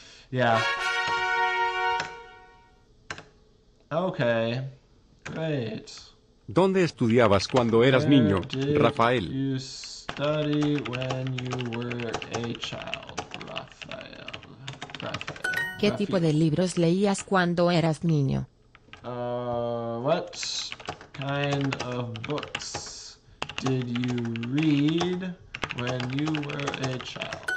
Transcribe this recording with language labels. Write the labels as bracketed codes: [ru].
[en] Yeah. Okay, great. [es] ¿Dónde estudiabas cuando eras niño, Rafael? [en] You study when you were a child, Rafael. [es] ¿Qué tipo de libros leías cuando eras niño? [en] What kind of books did you read when you were a child?